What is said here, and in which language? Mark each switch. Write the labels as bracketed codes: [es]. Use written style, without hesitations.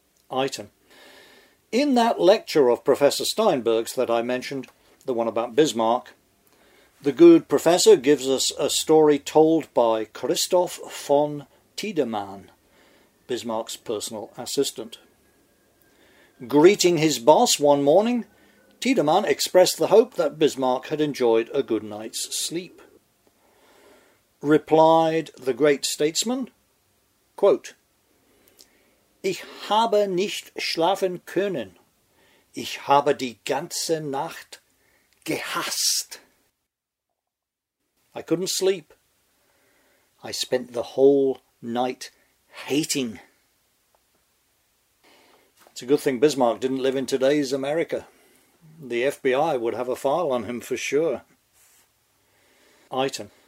[en] Item. In that lecture of Professor Steinberg's that I mentioned, the one about Bismarck, the good professor gives us a story told by Christoph von Tiedemann, Bismarck's personal assistant. Greeting his boss one morning, Tiedemann expressed the hope that Bismarck had enjoyed a good night's sleep. Replied the great statesman, quote, [de] "Ich habe nicht schlafen können. Ich habe die ganze Nacht gehasst." [en] I couldn't sleep. I spent the whole night hating. It's a good thing Bismarck didn't live in today's America. The FBI would have a file on him for sure. Item.